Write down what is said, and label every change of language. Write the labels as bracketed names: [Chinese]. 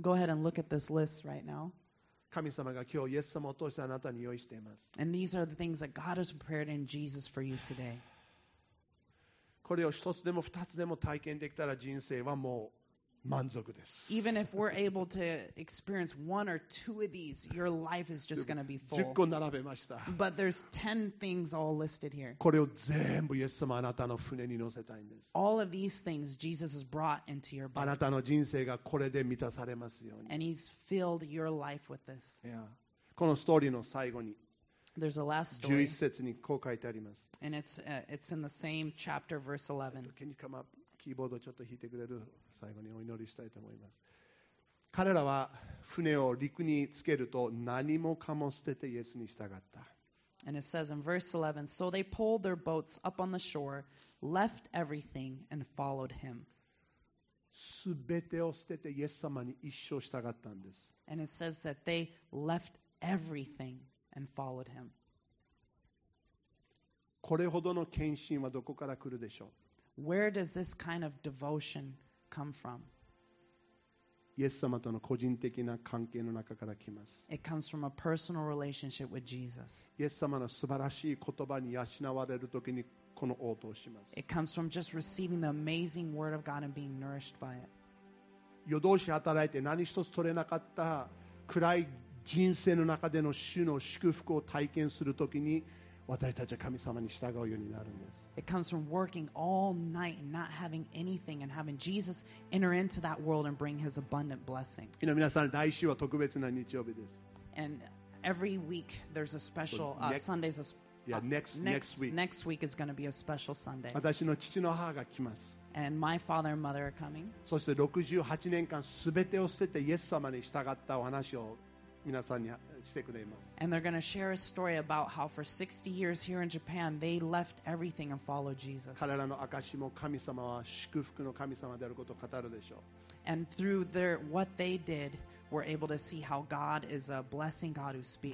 [English] Go ahead and look at this list right now. [Japanese] 神様が今日イエス様を通してあなたに用意しています。 [English] And these are the things that God has prepared in Jesus for you today. [Japanese] これを一つでも二つでも体験できたら人生はもう満足です。 [English] Even if we're able to experience one or two of these, your life is just going to be full. [Japanese] 10個並べました。 [English] But there's 10 things all listed here. [Japanese] これを全部イエス様あなたの船に乗せたいんです。 [English] All of these things Jesus has brought into your body. [Japanese] あなたの人生がこれで満たされますように。 [English] And he's filled your life with this. Yeah. [Japanese] このストーリーの最後に、 [English] There's a last story. [Japanese] 11節にこう書いてあります。 [English] And it's in the same chapter, verse 11. Can you come up? [Japanese] キーボードちょっと弾いてくれる最後にお祈りしたいと思います。彼らは船を陸につけると何もかも捨ててイエスに従った。 [English] And it says in verse 11, so they pulled their boats up on the shore, left everything and followed him. [Japanese] すべてを捨ててイエス様に一生従ったんです。 [English] And it says that they left everything and followed him. [Japanese] これほどの献身はどこから来るでしょう。 [English] Where does this kind of devotion come from? [Japanese] イエス様との個人的な関係の中から来ます。 [English] It comes from a personal relationship with Jesus. [Japanese] イエス様の素晴らしい言葉に養われるときにこの応答をします。 [English] It comes from just receiving the amazing word of God and being nourished by it. [Japanese] 夜通し働いて何一つ取れなかった暗い人生の中での主の祝福を体験するときに私たちは神様に従うようになるんです。 [English] It comes from working all night and not having anything and having Jesus enter into that world and bring his abundant blessing. [Japanese] 皆さん、来週は特別な日曜日です。 [English] And every week there's a special Sunday's a next week is going to be a special Sunday. [Japanese] 私の父の母が来ます。 [English] And my father and mother are coming. [Japanese] そして68年間すべてを捨ててイエス様に従ったお話を皆さんにしてくれます。 [English] And they're going to share a story about how for 60 years here in Japan, they left everything and followed Jesus. [Japanese] 彼らの証も神様は祝福の神様であることを語るでしょう。 [English] And through their, what they did, we're able to see how God is a blessing God who speaks.